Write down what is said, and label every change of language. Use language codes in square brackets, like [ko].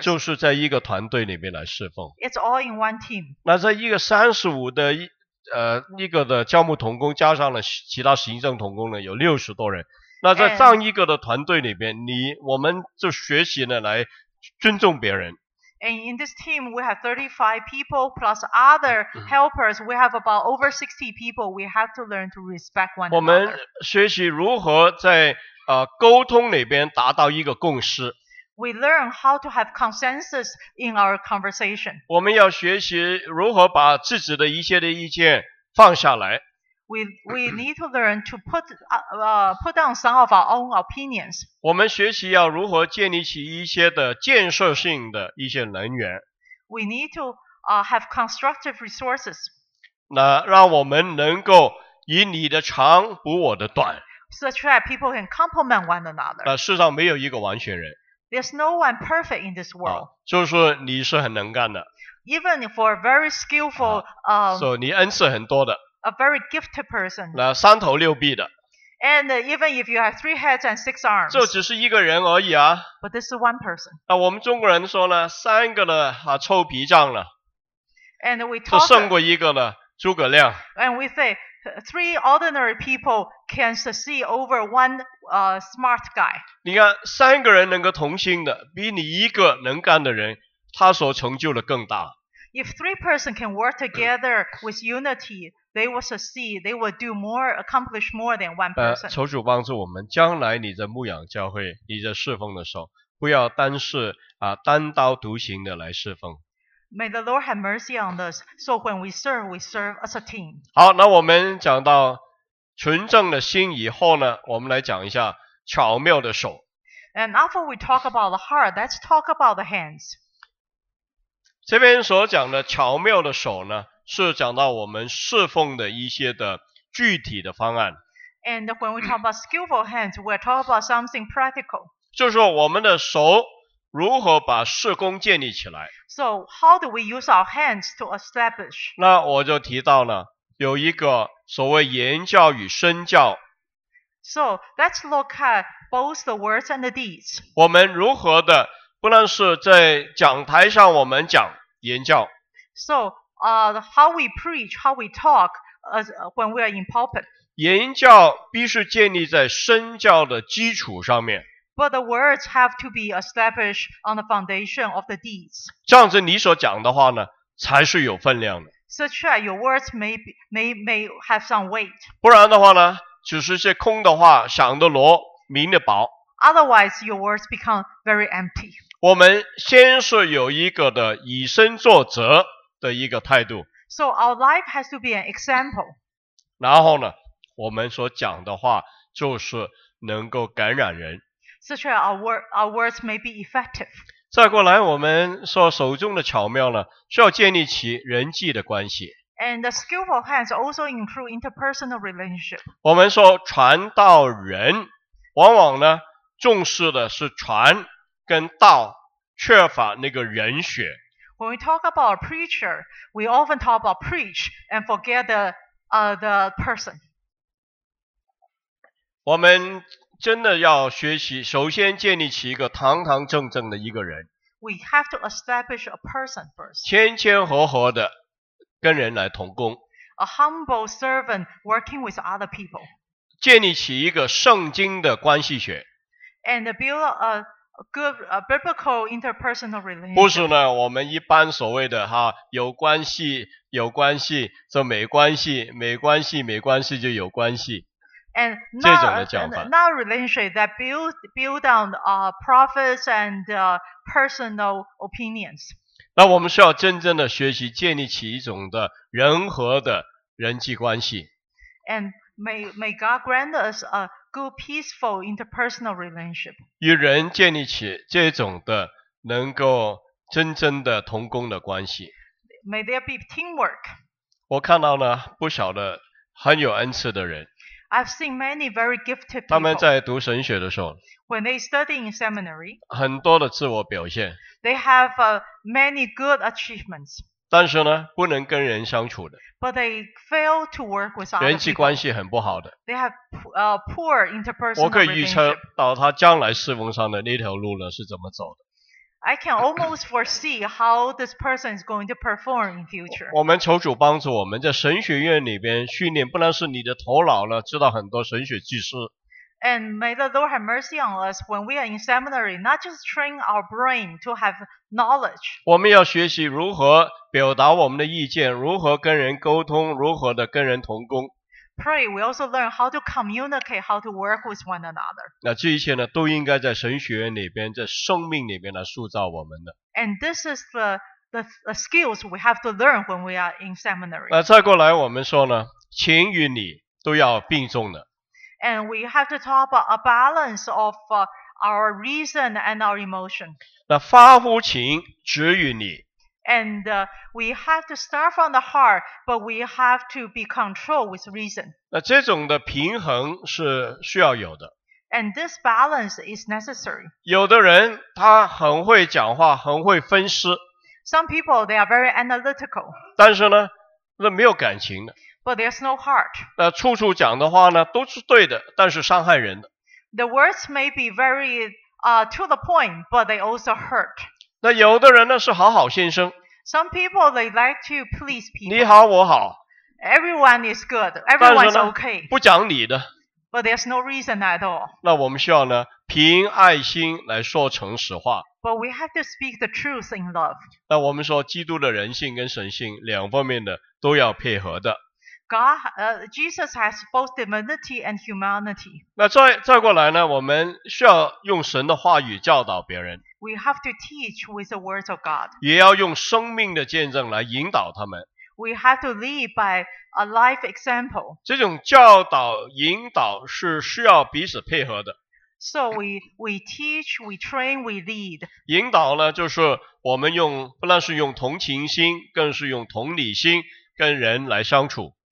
[zh] 就是在一个团队里面来侍奉。 [en] It's all in one team. [zh] 那在一个35的一个的教牧同工加上了其他行政同工呢，有60多人。那在这样一个的团队里面，我们就学习呢来尊重别人。 [en] And in this team, we have 35 people plus other helpers. We have about over 60 people. We have to learn to respect one another. [zh] 我们学习如何在沟通里边达到一个共识。 [en] We learn how to have consensus in our conversation. [zh] 我们要学习如何把自己的一些的意见放下来。 [en] We need to learn to put down some of our own opinions. [zh] 我们学习要如何建立起一些的建设性的一些能源。 [en] We need to have constructive resources. [zh] 那让我们能够以你的长补我的短。 [en] Such that people can complement one another. [zh] 世上没有一个完全人。 [en] There's no one perfect in this world. [zh] 就是说你是很能干的。 [en] Even for a very skillful, [zh] 你恩赐很多的。 [en] A very gifted person. [zh] 三头六臂的。 [en] And even if you have 3 heads and 6 arms. [zh] 这只是一个人而已啊。 [en] But this is one person. [zh] 我们中国人说呢，三个呢，臭皮匠了。 [en] And we talk. [zh] 就胜过一个呢，诸葛亮。 [en] And we say, Three ordinary people can succeed over one smart guy. [zh] 你看，三个人能够同心的，比你一个能干的人，他所成就的更大。 [en] If three persons can work together with unity, they will succeed. They will do more, accomplish more than one person. [zh] 求主帮助我们，将来你在牧养教会，你在侍奉的时候，不要单是单刀独行的来侍奉。 [en] May the Lord have mercy on us. So when we serve as a team. [zh] 好，那我们讲到纯正的心以后呢，我们来讲一下巧妙的手。 [en] And after we talk about the heart, let's talk about the hands. [zh] 这边所讲的巧妙的手呢，是讲到我们侍奉的一些的具体的方案。 [en] And when we talk about skillful hands, we're talking about something practical. [zh] 就是我们的手如何把事工建立起来。 [en] So, how do we use our hands to establish? [zh] 那我就提到了有一个所谓言教与身教。 [en] So, let's look at both the words and the deeds. [zh] 我们如何的不论是在讲台上我们讲言教。 [en] So, how we preach, how we talk, when we are in pulpit. [zh] 言教必须建立在身教的基础上面。 [en] But the words have to be established on the foundation of the deeds. [zh] 这样子你所讲的话呢，才是有分量的。 [en] Such that your words may have some weight. [zh] 不然的话呢，只是些空的话，响的锣，鸣的雹。 [en] Otherwise, your words become very empty. [zh] 我们先是有一个的以身作则的一个态度。 [en] So our life has to be an example. [zh] 然后呢，我们所讲的话就是能够感染人。 [en] Such that our words may be effective. [zh] 再过来，我们说手中的巧妙呢，需要建立起人际的关系。 [en] And the skillful hands also include interpersonal relationship. [zh] 我们说传道人，往往呢重视的是传跟道，缺乏那个人学。 [en] When we talk about a preacher, we often talk about preach and forget the person. [zh] 我们真的要学习，首先建立起一个堂堂正正的一个人。 [en] We have to establish a person first. [zh] 谦谦和和的跟人来同工。 [en] A humble servant working with other people. [zh] 建立起一个圣经的关系学。 [en] And build a good biblical interpersonal relationship. [zh] 不是呢，我们一般所谓的哈，有关系，有关系，就没关系，没关系，没关系就有关系。 [en] And not relationship that build on prophets and personal opinions. [zh] 那我们需要真正的学习建立起一种的人和的人际关系。 [en] And may God grant us a good peaceful interpersonal relationship. [zh] 与人建立起这种的能够真正的同工的关系。 [en] May there be teamwork. [zh] 我看到呢，不少的很有恩赐的人。 [en] I've seen many very gifted people. [zh] 他们在读神学的时候。 [en] When they study in seminary. [zh] 很多的自我表现。 [en] They have many good achievements. [zh] 但是呢，不能跟人相处的。 [en] But they fail to work with other people. [zh] 人际关系很不好的。 [en] They have poor interpersonal relationships. [zh] 我可以预测到他将来侍奉上的那条路呢是怎么走的。 [en] I can almost foresee how this person is going to perform in future. [zh] 我们求主帮助我们在神学院里边训练，不能是你的头脑呢知道很多神学知识。 [en] And may the Lord have mercy on us when we are in seminary, not just train our brain to have knowledge. [zh] 我们要学习如何表达我们的意见，如何跟人沟通，如何的跟人同工。 [en] Pray, we also learn how to communicate, how to work with one another. [zh] 那这一切呢，都应该在神学院里边，在生命里边来塑造我们的。 [en] And this is the skills we have to learn when we are in seminary. [zh] 那再过来我们说呢，情与理都要并重的。 [en] And we have to talk about a balance of our reason and our emotion. [zh] 那发乎情，止于理。 [en] And we have to start from the heart, but we have to be controlled with reason. [zh] 那这种的平衡是需要有的。 [en] And this balance is necessary. [zh] 有的人他很会讲话，很会分析。 [en] Some people, they are very analytical. [zh] 但是呢，那没有感情的。 [en] But there's no heart. [zh] 那处处讲的话呢，都是对的，但是伤害人的。 [en] The words may be very to the point, but they also hurt. [zh] 那有的人呢是好好先生。 [en] Some people they like to please people. [zh] 你好我好。 [en] Everyone is good. Everyone is okay. [zh] 不讲理的。 [en] But there's no reason at all. [zh] 那我们需要呢，凭爱心来说诚实话。 [en] But we have to speak the truth in love. [zh] 那我们说基督的人性跟神性两方面的都要配合的。 [en] Jesus has both divinity and humanity. [zh] 那再过来呢，我们需要用神的话语教导别人。 [en] We have to teach with the words of God. [zh] 也要用生命的见证来引导他们。 [en] We have to lead by a life example. [zh] 这种教导引导是需要彼此配合的。 [en] So we teach, we train, we lead. [zh] 引导呢，就是我们用不但是用同情心，更是用同理心跟人来相处。